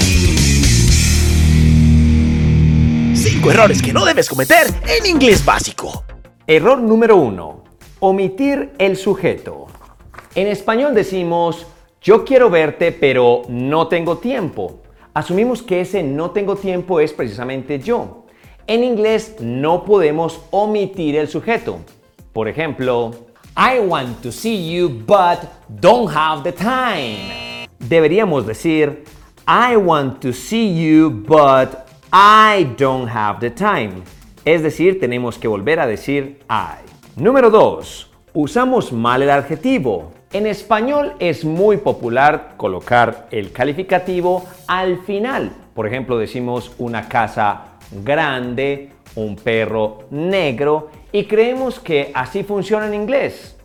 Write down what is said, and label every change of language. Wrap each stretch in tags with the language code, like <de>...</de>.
<es>5 errores que no debes cometer en inglés básico. Error número 1. Omitir el sujeto. En español decimos, yo quiero verte, pero no tengo tiempo. Asumimos que ese no tengo tiempo es precisamente yo. En inglés no podemos omitir el sujeto. Por ejemplo,</es> <en>I want to see you, but don't have the time.</en> <es>Deberíamos decir,</es> <en>I want to see you, but I don't have the time.</en> <es>Es decir, tenemos que volver a decir I. Número 2. Usamos mal el adjetivo. En español es muy popular colocar el calificativo al final. Por ejemplo, decimos una casa grande, un perro negro y creemos que así funciona en inglés.</es>